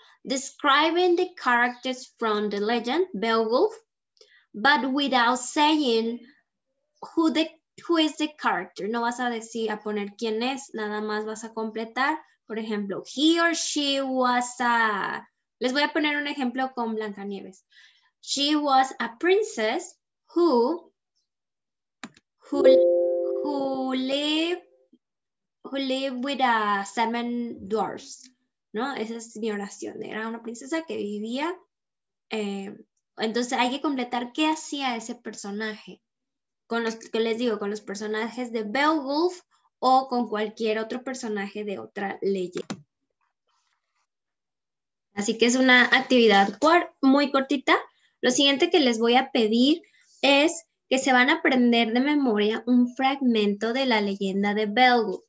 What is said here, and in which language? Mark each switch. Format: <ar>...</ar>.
<en>Describing the characters from the legend, Beowulf, but without saying who is the character.</en> <es>No vas a decir, a poner quién es, nada más vas a completar. Por ejemplo,</es> <en>he or she was a...</en> <es>Les voy a poner un ejemplo con Blancanieves.</es> <en>She was a princess who lived with a 7 dwarfs.</en> <es>¿No? Esa es mi oración. Era una princesa que vivía. Entonces hay que completar qué hacía ese personaje. Con los que les digo, con los personajes de Beowulf o con cualquier otro personaje de otra leyenda. Así que es una actividad muy cortita. Lo siguiente que les voy a pedir es que se van a aprender de memoria un fragmento de la leyenda de Beowulf.</es>